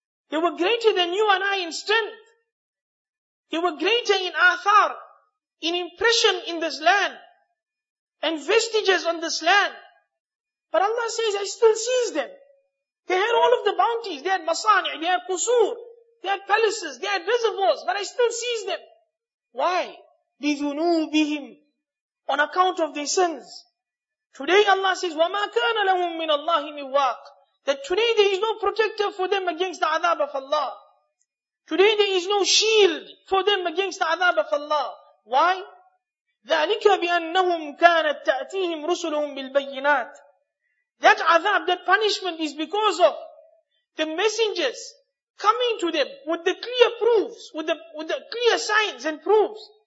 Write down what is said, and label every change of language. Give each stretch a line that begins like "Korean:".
English: They were greater than you and I in strength. They were greater in athar, in impression in this land, and vestiges on this land. But Allah says, I still seize them. They had all of the bounties. They had masani', they had qusur, they had palaces, they had reservoirs, but I still seize them. Why?
Arabic: بِذُنُوبِهِمْ.
English: On account of their sins. Today Allah says,
Arabic: وَمَا كَانَ لَهُم مِّنَ اللَّهِ مِوَاقٍ.
English: That today there is no protector for them against the adab of Allah. Today there is no shield for them against the adab of Allah. Why?
Arabic: ذَلِكَ بِأَنَّهُمْ كَانَتْ تَأْتِيهِمْ رُسُلُهُمْ بِالْبَيِّنَاتِ.
English: That adab, that punishment is because of the messengers coming to them with the clear proofs, with the clear signs and proofs.